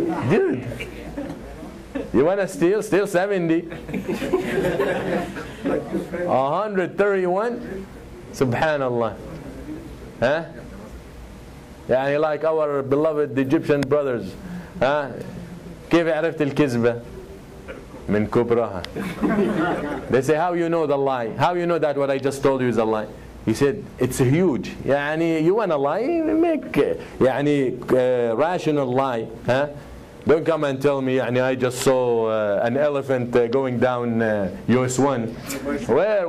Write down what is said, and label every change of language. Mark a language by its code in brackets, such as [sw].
[en] Dude, you want to steal? Steal 70. 131? Subhanallah. Huh? Yeah, like our beloved Egyptian brothers. Huh? [ar] كيف عرفت الكذبة؟ من كبرها. [en] They say, how you know the lie? How you know that what I just told you is a lie? He said, it's huge. يعني, you want a lie? Make يعني, rational lie. Huh? Don't come and tell me يعني, I just saw an elephant going down US-1.